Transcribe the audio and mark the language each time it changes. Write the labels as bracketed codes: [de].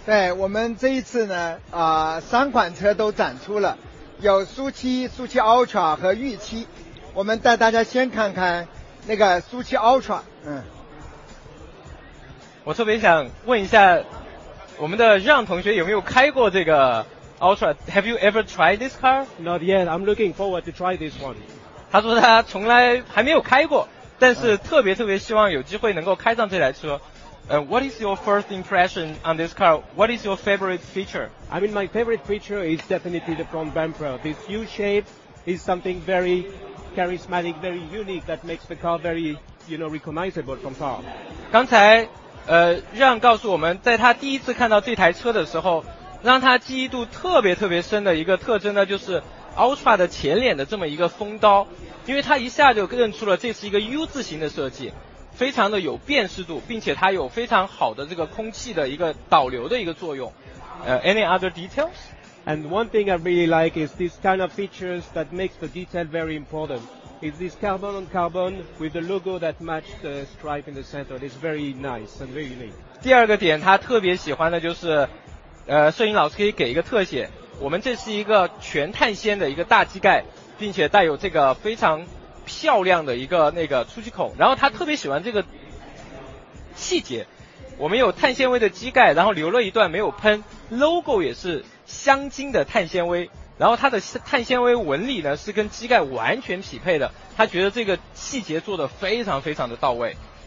[zh] 对，我们这一次呢，三款车都展出了，有舒淇、舒淇 Ultra 和御漆。我们带大家先看看那个舒淇 Ultra。嗯，我特别想问一下，我们的让同学有没有开过这个 Ultra？ [en] Have you ever tried this car？ Not yet. I'm looking forward to try this one. [zh] 他说他从来还没有开过，但是特别特别希望有机会能够开上这台车。 [en] What is your first impression on this car? What is your favorite feature? I mean, my favorite feature is definitely the front bumper. This U shape is something very charismatic, very unique that makes the car very, you know, recognizable from far. [zh] 刚才让告诉我们，在他第一次看到这台车的时候，让他记忆度特别特别深的一个特征呢，就是 Ultra 的前脸的这么一个风刀，因为他一下就认出了这是一个 U 字形的设计，非常的有辨识度，并且它有非常好的这个空气的一个导流的一个作用。 [en] Any other details? And one thing I really like is this kind of features that makes the detail very important. Is this carbon on carbon with the logo that match the stripe in the center. It's very nice and very unique. [zh] 第二个点他特别喜欢的就是摄影老师可以给一个特写，我们这是一个全碳纤的一个大机盖，并且带有这个非常漂亮的一个那个出气孔，然后他特别喜欢这个细节，我们有碳纤维的机盖，然后留了一段没有喷， logo 也是镶金的碳纤维，然后它的碳纤维纹理呢是跟机盖完全匹配的，他觉得这个细节做得非常非常的到位。